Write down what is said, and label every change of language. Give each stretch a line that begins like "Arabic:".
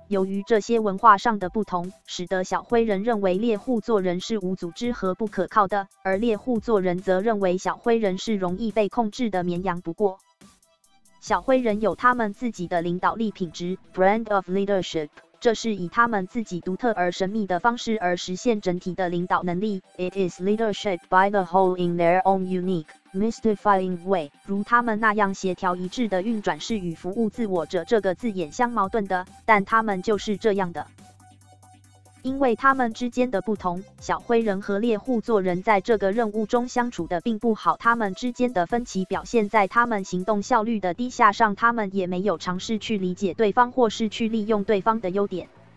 Chinese: 由于这些文化上的不同，使得小灰人认为猎户座人是无组织和不可靠的，而猎户座人则认为小灰人是容易被控制的绵羊。不过，小灰人有他们自己的领导力品质
English: Brand of Leadership，
Chinese: 这是以他们自己独特而神秘的方式而实现整体的领导能力。
English: It is leadership by the whole in their own unique, mystifying way.
Chinese: 如他们那样协调一致的运转是与服务自我者这个字眼相矛盾的，但他们就是这样的。因为他们之间的不同，小灰人和猎户座人在这个任务中相处的并不好。他们之间的分歧表现在他们行动效率的低下上，他们也没有尝试去理解对方或是去利用对方的优点。